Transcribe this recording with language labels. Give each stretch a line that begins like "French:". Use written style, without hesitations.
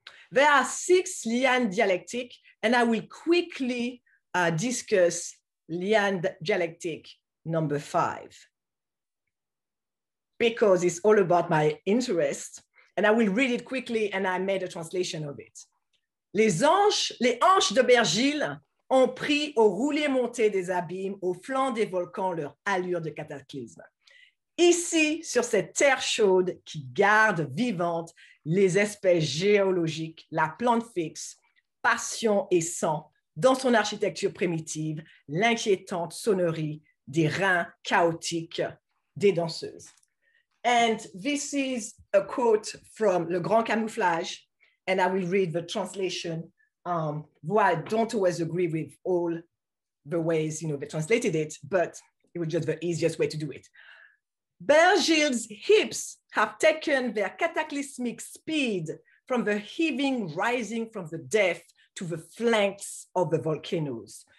English: There are six liana dialectic, and I will quickly discuss liana dialectic number 5, because it's all about my interest, and I will read it quickly, and I made a translation of it.
French: Les hanches de Bergile ont pris au roulé monté des abîmes, au flanc des volcans leur allure de cataclysme. Ici, sur cette terre chaude qui garde vivante les espèces géologiques, la plante fixe, passion et sang, dans son architecture primitive, l'inquiétante sonnerie des reins chaotiques des danseuses.
English: And this is a quote from Le Grand Camouflage, and I will read the translation. Though I don't always agree with all the ways, you know, they translated it, but it was just the easiest way to do it. Bergil's hips have taken their cataclysmic speed from the heaving rising from the depth to the flanks of the volcanoes.